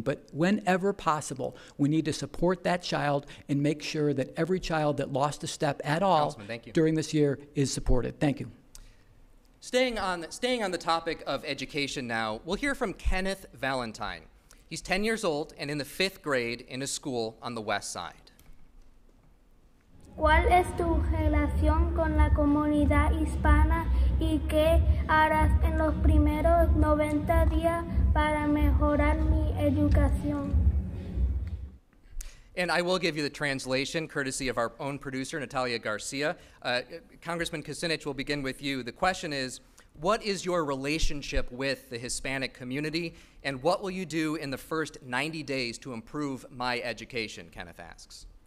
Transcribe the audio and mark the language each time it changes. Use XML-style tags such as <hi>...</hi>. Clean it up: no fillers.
<en>But whenever possible, we need to support that child and make sure that every child that lost a step at all during this year is supported. Thank you. Staying on the topic of education now, we'll hear from Kenneth Valentine. He's 10 years old and in the fifth grade in a school on the west side.</en> <es>¿Cuál es tu relación con la comunidad hispana y qué harás en los primeros 90 días para mejorar mi educación?</es> <en>And I will give you the translation, courtesy of our own producer, Natalia Garcia. Congressman Kucinich, will begin with you. The question is, what is your relationship with the Hispanic community, and what will you do in the first 90 days to improve my education, Kenneth asks.</en>